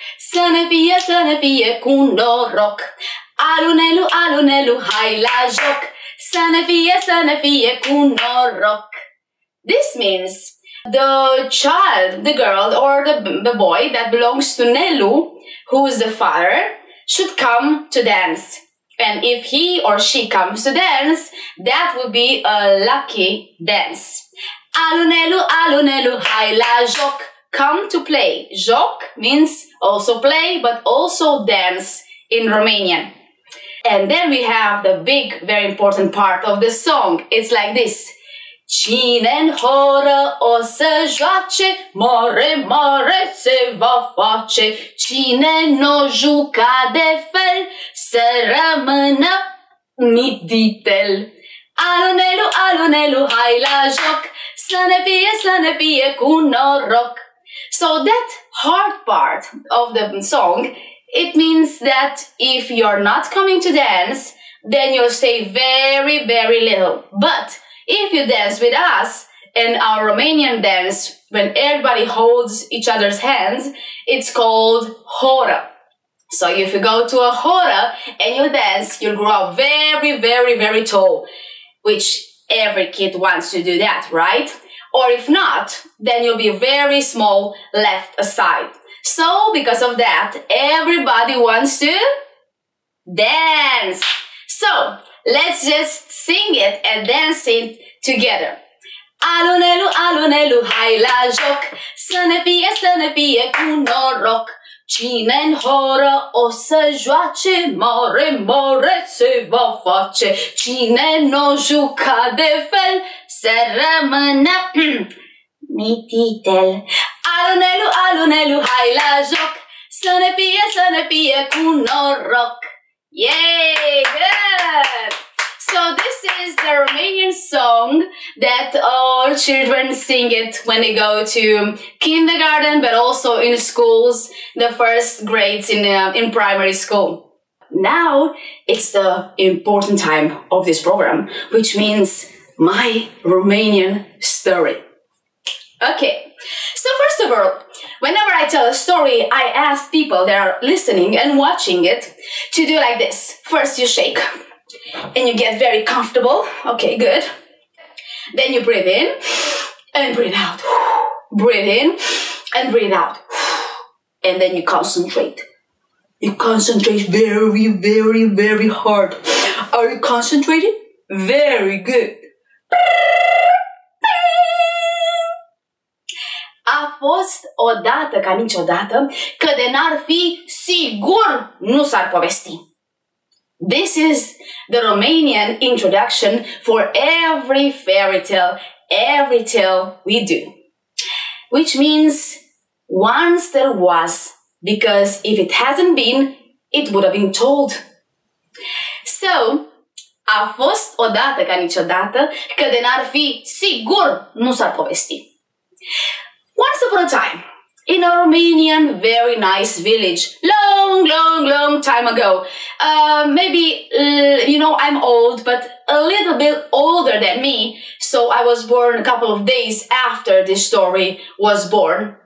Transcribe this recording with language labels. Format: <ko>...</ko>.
<ro>Să ne fie, să ne fie cu noroc. Alunelu, alunelu, hai la joc. Să ne fie, să ne fie cu noroc.</ro> <en>This means the child, the girl, or the boy that belongs to Nelu, who is the father, should come to dance. And if he or she comes to dance, that would be a lucky dance. Alunelu, alunelu, hai la joc. Come to play. Joc means also play, but also dance in Romanian. And then we have the big, very important part of the song. It's like this.</en> <ro>Cine-n horă o să joace, mare, mare se va face. Cine n-o juca de fel, să rămână miditel. Alunelu, alunelu, hai la joc, să ne fie, să ne fie cu noroc.</ro> <en>So that hard part of the song, it means that if you're not coming to dance, then you'll stay very, very little. But if you dance with us and our Romanian dance, when everybody holds each other's hands, it's called hora. So if you go to a hora and you dance, you'll grow up very, very, very tall, which every kid wants to do that, right? Or if not, then you'll be very small, left aside. So because of that, everybody wants to dance. So let's just sing it and dance it together.</en> <ro>Alunelu, alunelu, hai la joc. Să ne fie, să ne fie cu noroc. Cine-n horă o să joace, mare, mare se va face. Cine n-o juca de fel, se rămână mititel. Alunelu, alunelu, hai la joc. Să ne fie, să ne fie cu noroc.</ro> <en>Yay! Good! So this is the Romanian song that all children sing it when they go to kindergarten, but also in schools, the first grades in primary school. Now it's the important time of this program, which means my Romanian story. Okay, so first of all, whenever I tell a story, I ask people that are listening and watching it to do like this. First you shake and you get very comfortable. Okay, good. Then you breathe in and breathe out. Breathe in and breathe out. And then you concentrate. You concentrate very, very, very hard. Are you concentrating? Very good.</en> <ro>A fost odată ca niciodată că de n-ar fi sigur nu s-ar povesti.</ro> <en>This is the Romanian introduction for every fairy tale we do. Which means once there was, because if it hasn't been, it would have been told.</en> <ro>So, a fost odată ca niciodată că de n-ar fi sigur nu s-ar povesti.</ro> <en>Once upon a time, in a Romanian very nice village, long, long, long time ago, I'm old, but a little bit older than me, so I was born a couple of days after this story was born.</en>